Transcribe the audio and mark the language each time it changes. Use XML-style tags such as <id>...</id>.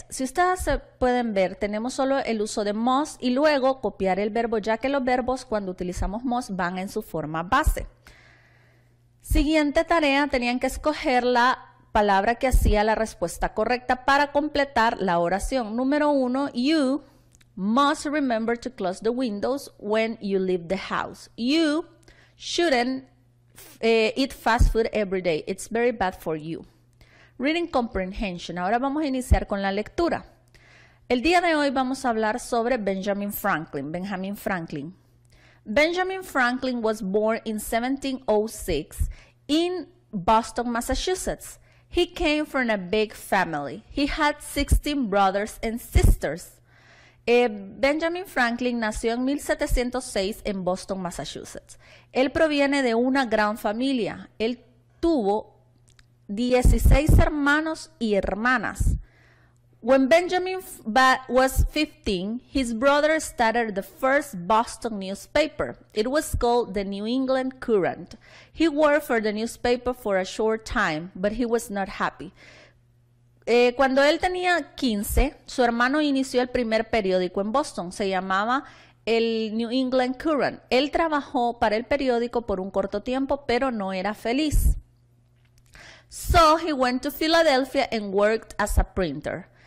<es>Si ustedes pueden ver, tenemos solo el uso de must y luego copiar el verbo, ya que los verbos cuando utilizamos must van en su forma base. Siguiente tarea, tenían que escoger la palabra que hacía la respuesta correcta para completar la oración. Número 1,</es> <en>you must remember to close the windows when you leave the house. You shouldn't eat fast food every day. It's very bad for you. Reading comprehension.</en> <es>Ahora vamos a iniciar con la lectura. El día de hoy vamos a hablar sobre Benjamin Franklin.</es> <en>Benjamin Franklin. Benjamin Franklin was born in 1706 in Boston, Massachusetts. He came from a big family. He had 16 brothers and sisters.</en> <es>Benjamin Franklin nació en 1706 en Boston, Massachusetts. Él proviene de una gran familia. Él tuvo 16 hermanos y hermanas.</es> <en>When Benjamin was 15, his brother started the first Boston newspaper. It was called the New England Courant. He worked for the newspaper for a short time, but he was not happy.</en> <es>Cuando él tenía 15, su hermano inició el primer periódico en Boston. Se llamaba el New England Courant. Él trabajó para el periódico por un corto tiempo, pero no era feliz.</es> <en>So he went to Philadelphia and worked as a printer.</en>